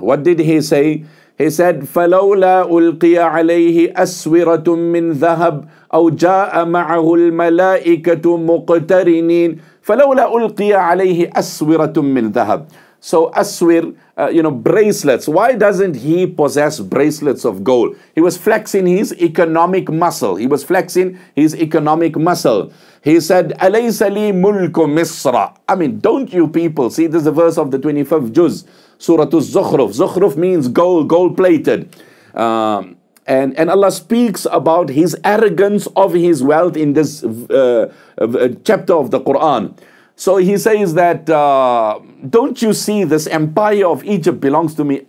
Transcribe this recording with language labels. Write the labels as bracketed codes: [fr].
[en] What did he say? He said, [ar] فَلَوْلَا أُلْقِيَ عَلَيْهِ أَسْوِرَةٌ مِّنْ ذَهَبٍ أَوْ جَاءَ مَعَهُ الْمَلَائِكَةُ مُقْتَرِنِينَ فَلَوْلَا أُلْقِيَ عَلَيْهِ أَسْوِرَةٌ مِّنْ ذَهَبٍ. [en] So aswir, bracelets. Why doesn't he possess bracelets of gold? He was flexing his economic muscle. He said, [ar] أَلَيْسَ لِي مُلْكُ مِصْرَ. [en] I mean, don't you people see, this is the verse of the 25th Juz, Surah Az-Zukhruf. Zukhruf means gold-plated. And Allah speaks about his arrogance of his wealth in this chapter of the Quran. So he says that, don't you see this empire of Egypt belongs to me?